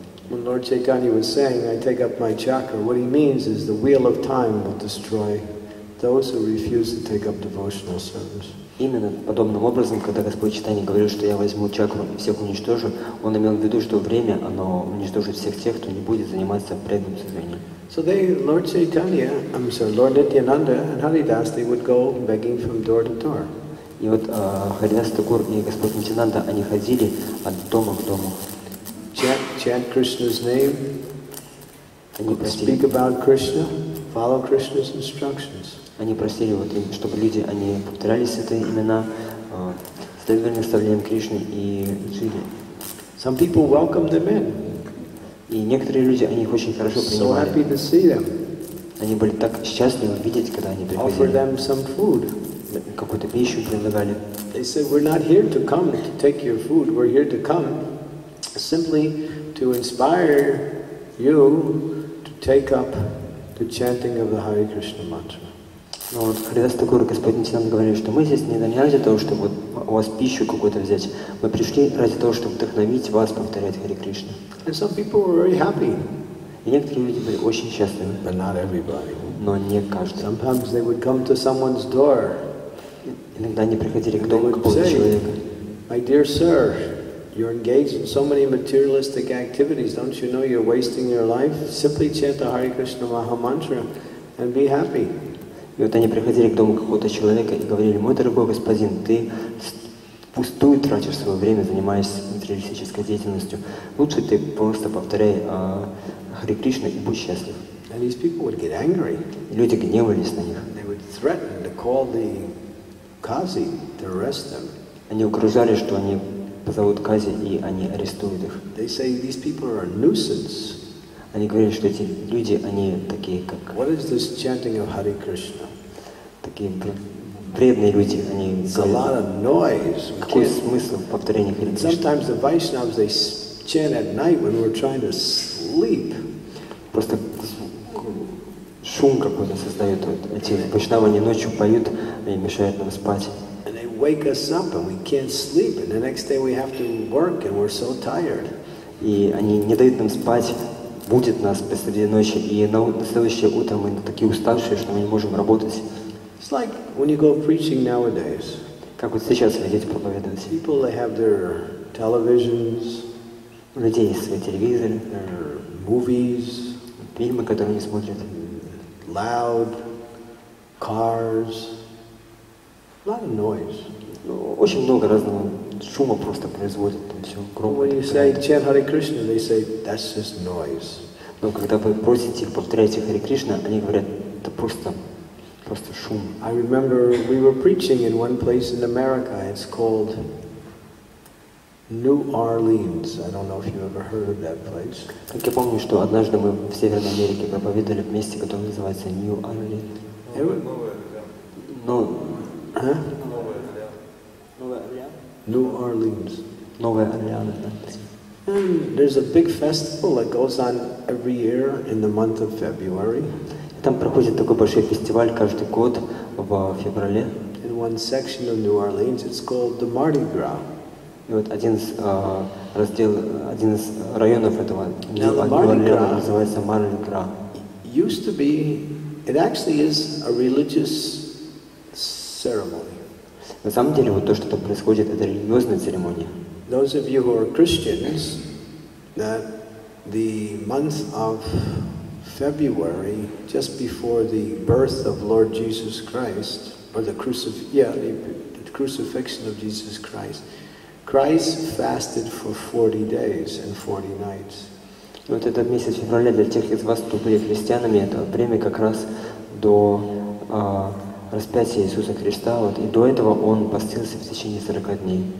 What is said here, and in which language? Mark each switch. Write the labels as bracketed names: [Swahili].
[English] When Lord Chaitanya was saying, I take up my chakra, what he means is the wheel of time will destroy those who refuse to take up devotional service. [Russian] Именно подобным образом, когда Господь Чайтанья говорил, что я возьму чакру и всех уничтожу, он имел в виду, что время, оно уничтожит всех тех, кто не будет заниматься преданным служением. [English] So they, Lord Chaitanya, I'm sorry, Lord Nityananda and Haridas, they would go begging from door to door. [Russian] И вот Харидас Такур и Господь Нитинанда, они ходили от дома к дому. [English] Chant Krishna's name. [Russian] Они просили. [English] Speak about Krishna. Follow Krishna's instructions. [Russian] Они просили, вот, чтобы люди, они повторяли святые имена, с доверенным оставлением Кришне и Дживе. [English] Some people welcome them in. [Russian] И некоторые люди, они их очень хорошо принимали. [English] So happy to see them. [Russian] Они были так счастливы видеть, когда они приходили. [English] Offer them some food. [Russian] Какую-то пищу предлагали. [English] They said, we're not here to come to take your food. We're here to come simply to inspire you to take up the chanting of the Hare Krishna mantra. [Russian] Ну вот, Харидас Тхакура, Господь нам говорит, что мы здесь не ради того, чтобы у вас пищу какую-то взять. Мы пришли ради того, чтобы вдохновить вас повторять Харе Кришна. [English] And some people were very happy. [Russian] И некоторые люди были очень счастливы. [English] But not everybody. [Russian] Но не каждый. [English] Sometimes they would come to someone's door. [Russian] Иногда они приходили к дому к полу человека. [English] My dear sir, you're engaged in so many materialistic activities. Don't you know you're wasting your life? Simply chant the Hare Krishna Maha Mantra and be happy. [Russian] И вот они приходили к дому какого-то человека и говорили, мой дорогой господин, ты впустую тратишь свое время, занимаясь материалистической деятельностью. Лучше ты просто повторяй Харе Кришна и будь счастлив. [English] And these people would get angry. [Russian] И люди гневались на них. [English] They would threaten to call the Qazi to arrest them. [Russian] Они угрожали, что они позовут Кази и они арестуют их. [English] They say these people are a nuisance. [Russian] Они говорили, что эти люди, они такие, как... [English] What is this chanting of Hare Krishna? [Russian] Такие вредные люди, они... [English] It's a lot of noise. [Russian] Какой смысл повторения Харе Кришна? [English] Sometimes the Vaishnavas, they chant at night when we're trying to sleep. [Russian] Просто шум какой-то создают. Вот эти Вайшнавы, они ночью поют и мешают нам спать. [English] And they wake us up and we can't sleep. And the next day we have to work and we're so tired. [Russian] И они не дают нам спать. Будет нас посреди ночи, и на следующее утро мы такие уставшие, что мы не можем работать. [English] It's like when you go preaching nowadays. [Russian] Как вот сейчас ходить проповедовать. [English] People, they have their televisions. [Russian] У людей есть свои телевизоры. [English] Their movies. [Russian] Фильмы, которые они смотрят. [English] Loud. Cars. A lot of noise. [Russian] Ну, очень много разного шума просто производит, там все громко. [English] When you say chant Hare Krishna, they say that's just noise. [Russian] Но когда вы просите их повторять Харе Кришна, они говорят, это просто шум. [English] I remember we were preaching in one place in America. It's called New Orleans. I don't know if you ever heard of that place. [Russian] Так я помню, что однажды мы в Северной Америке проповедовали в месте, которое называется New Orleans. [English] New Orleans. [Russian] Новая Орлеана. [English] There's a big festival that goes on every year in the month of February. [Russian] Там проходит такой большой фестиваль каждый год в феврале. [English] In one section of New Orleans, it's called the Mardi Gras. [Russian] И вот один из районов этого Нью-Орлеана называется Mardi Gras. [English] Used to be, it actually is a religious ceremony. [Russian] На самом деле, вот то, что там происходит, это религиозная церемония. [English] Those of you who are Christians, that the month of February, just before the birth of Lord Jesus Christ, or the crucifixion of Jesus Christ, Christ fasted for 40 days and 40 nights. [Russian] Вот этот месяц февраля для тех из вас, кто были христианами, это время как раз до... распятие Иисуса Христа, вот, и до этого он постился в течение 40 дней.